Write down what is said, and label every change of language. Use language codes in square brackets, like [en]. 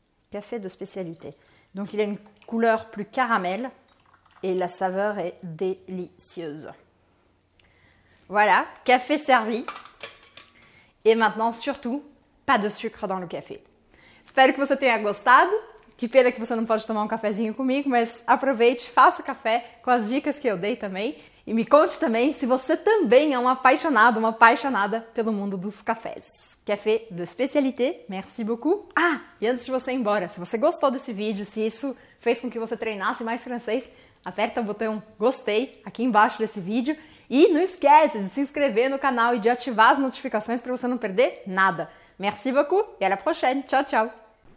[fr] Café de spécialité. Donc il a une couleur plus caramel et la saveur est délicieuse. Voilà, café servi. Et maintenant, surtout, pas de sucre dans le café. J'espère que vous avez [pt] gostado. Que pena que você não pode tomar um cafezinho comigo, mas aproveite, faça café com as dicas que eu dei também. E me conte também se você também é um apaixonado, uma apaixonada pelo mundo dos cafés. [fr] Café de spécialité, merci beaucoup. [pt] Ah, e antes de você ir embora, se você gostou desse vídeo, se isso fez com que você treinasse mais francês, aperta o botão gostei aqui embaixo desse vídeo. E não esquece de se inscrever no canal e de ativar as notificações para você não perder nada. [fr] Merci beaucoup [pt] e [fr] à la prochaine. [pt] Tchau, tchau.